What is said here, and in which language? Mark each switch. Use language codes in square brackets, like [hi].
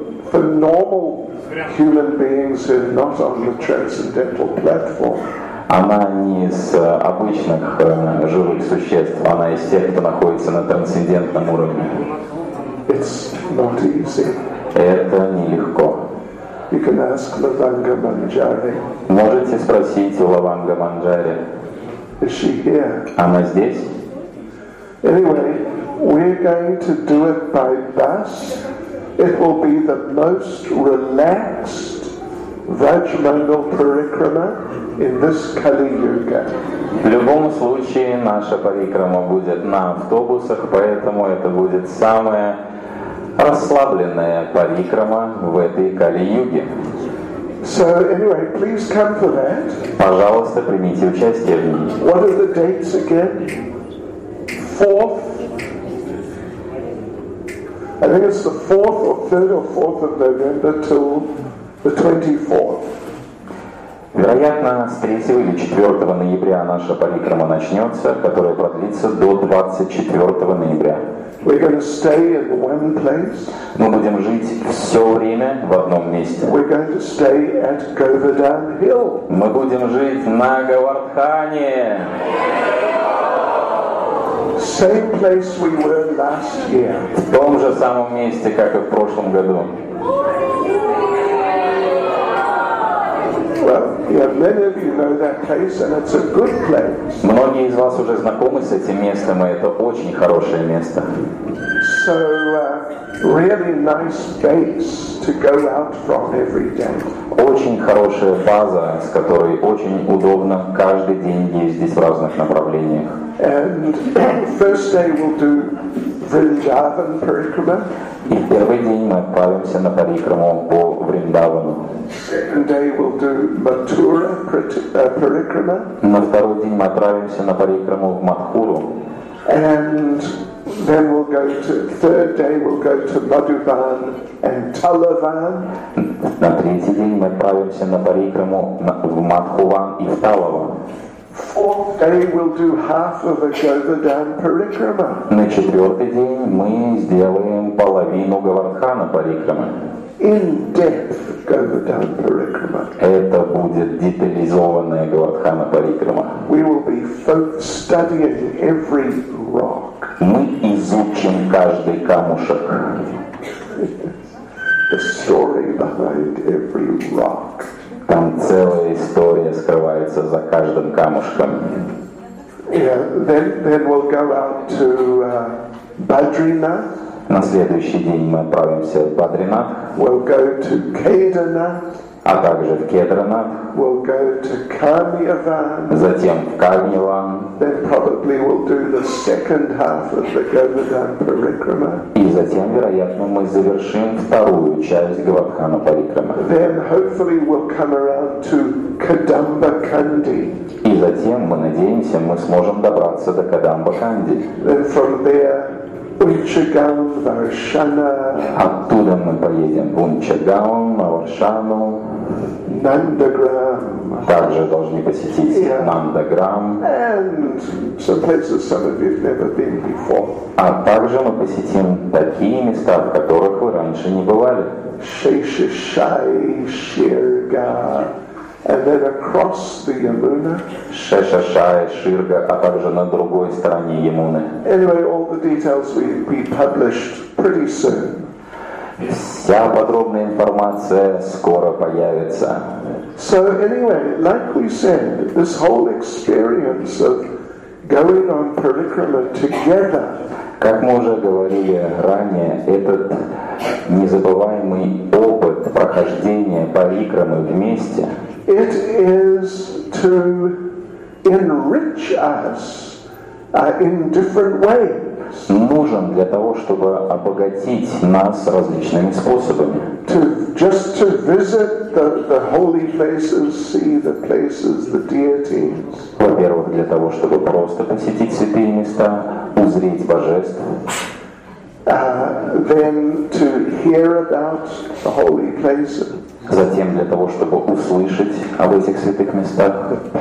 [en] For normal human beings who are not on the transcendental platform. [ru] Она не из обычных живых существ, она из тех, кто находится на трансцендентном уровне. [en] It's not easy. [ru] Это нелегко. [en] You can ask Lavanga Manjari. [ru] Можете спросить у Лаванга Манджари. [en] Is she here? [ru] Она здесь? [en] Anyway, we're going to do it by bus. It will be the most relaxed Vajramangal Parikrama in this Kali Yuga. [ru] В любом случае наша парикрама будет на автобусах, поэтому это будет самая расслабленная парикрама в этой Кали Юге. [en] So anyway, please come for that. [ru] Пожалуйста, примите участие в ней. [en] What are the dates again? Fourth. I think it's the 4th or 3rd or 4th of November till the 24th. [ru] Вероятно, с 3 или 4 ноября наша парикрама начнется, которая продлится до 24 ноября. [en] We're going to stay in one place. [ru] Мы будем жить все время в одном месте. [en] We're going to stay at Govardhan Hill. [ru] Мы будем жить на Говардхане. [en] Same place we were last year. [ru] В том же самом месте, как и в прошлом году. [en] Well, yeah, many of you know that place, and it's a good place. [ru] Многие из вас уже знакомы с этим местом, и это очень хорошее место. [en] So, really nice base to go out from every day. [ru] Очень хорошая база, с которой очень удобно каждый день ездить в разных направлениях. [en] And first day we'll do Vrindavan Parikrama. [ru] И первый день мы отправимся на парикраму по Вриндавану. [en] Second day we'll do Mathura Parikrama. [ru] На второй день мы отправимся на парикраму в Матхуру. [en] And then we'll go to third day we'll go to Madhuban and Talavan. [ru] На третий день мы отправимся на парикраму в Мадхуван и в Талаван. [en] Fourth day we'll do half of a Govardhan Parikrama. [ru] На четвертый день мы сделаем половину Говардхана Парикрамы. [en] In depth Govardhan Parikrama. [ru] Это будет детализованная Говардхана Парикрама. [en] We will be studying every rock. [ru] Мы изучим каждый камушек. [en] The story behind every rock. [ru] Там целая история скрывается за каждым камушком. [en] Yeah, then we'll go out to Badrinath. [ru] На следующий день мы отправимся в Бадринах. [en] We'll go to Кедарнах. [ru] А также в Кедарнах. [en] We'll go to Камьяван. [ru] Затем в Камьяван. [en] Then probably we'll do the second half of the Govardhan Parikrama. [ru] И затем, вероятно, мы завершим вторую часть Говардхана Парикрама. [en] Then hopefully we'll come around to Kadamba Kandy. [ru] И затем, мы надеемся, мы сможем добраться до Кадамба Канди. [en] Then from there Унчагам, Варшана. [ru] Оттуда мы поедем в Унчагам, Варшану. Нандаграм. Также должны посетить yeah. Нандаграм. [en] And some places some of you've never been before. [ru] А также мы посетим такие места, в которых вы раньше не бывали. Шейшишай, Ширга. [en] And then across the Yamuna. [ru] Шешашая, Ширга, а также на другой стороне Ямуны. [en] Anyway, all the details will be published pretty soon. [ru] Вся подробная информация скоро появится. [en] So anyway, like we said, this whole experience of going on parikrama together. [ru] Как мы уже говорили ранее, этот незабываемый опыт прохождения парикрамы вместе. [en] It is to enrich us in different ways. [ru] можем для того, чтобы обогатить нас различными способами. [en] Just to visit the holy places, see the places, the deities. [ru] Во-первых, для того, чтобы просто посетить святые места, узреть божеств. [en] Then to hear about the holy places. [ru] Затем для того, чтобы услышать об этих святых местах,